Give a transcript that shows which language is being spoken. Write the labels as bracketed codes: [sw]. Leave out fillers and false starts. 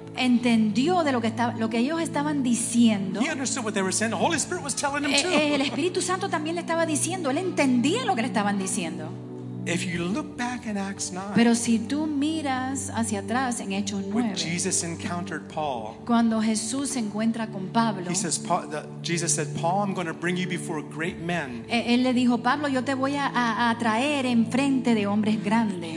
[es] Entendió de lo que ellos estaban diciendo. [en] He understood what they were saying. The Holy Spirit was telling him too. [es] El Espíritu Santo también le estaba diciendo. Él entendía lo que le estaban diciendo. [en] If you look back in Acts 9, [es] pero si tú miras hacia atrás en Hechos 9, [en] when Jesus encountered Paul, [es] cuando Jesús se encuentra con Pablo, [en] he says, Paul, Jesus said, Paul, I'm going to bring you before great men. [es] Él le dijo, Pablo, yo te voy a traer en frente de hombres grandes.